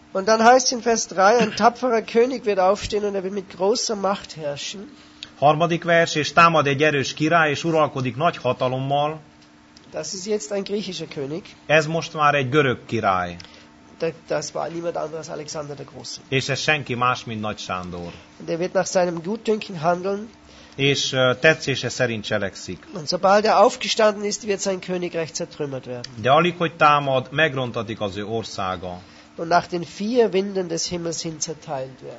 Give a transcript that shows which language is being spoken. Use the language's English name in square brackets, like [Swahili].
[German] Und dann heißt in Vers 3, ein tapferer König wird aufstehen und er wird mit großer Macht herrschen. [Hungarian] Harmadik vers, és támad egy erős király, és uralkodik nagy hatalommal. [German] Das ist jetzt ein griechischer König. [Hungarian] Ez most már egy görög király. [German] Das war niemand anderes Alexander der Große. [Hungarian] És ez senki más, mint Nagy Sándor. [German] Der wird nach seinem Gutdünken handeln. [Hungarian] És tetszése szerint cselekszik. [German] Und sobald er aufgestanden ist, wird sein Königreich zertrümmert werden. [Hungarian] De alig, hogy támad, megrontatik az ő országa. [German] Und nach den vier Winden des Himmels hin zerteilt werden.